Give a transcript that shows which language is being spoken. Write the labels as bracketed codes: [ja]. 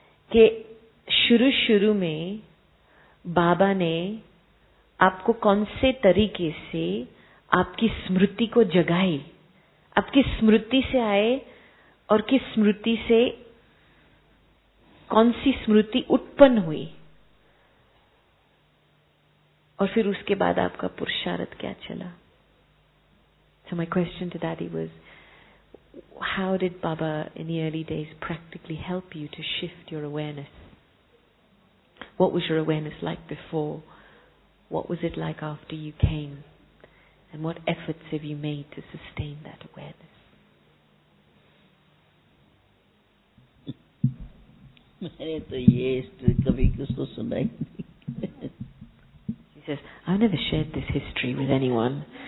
[hi] Ke shuru shuru mein baba ne aapko kaunse tarike se आपकी स्मृति को जगाए, आपकी स्मृति से आए और किस स्मृति से कौन सी स्मृति उत्पन्न हुई और फिर उसके बाद आपका पुरुषार्थ क्या चला. [en] So my question to daddy was, how did baba in the early days practically help you to shift your awareness? What was your awareness like before? What was it like after you came? And what efforts have you made to sustain that awareness? [hi] मैंने तो ये history कभी किसको सुनाई नहीं. [en] He says, I've never shared this history with anyone.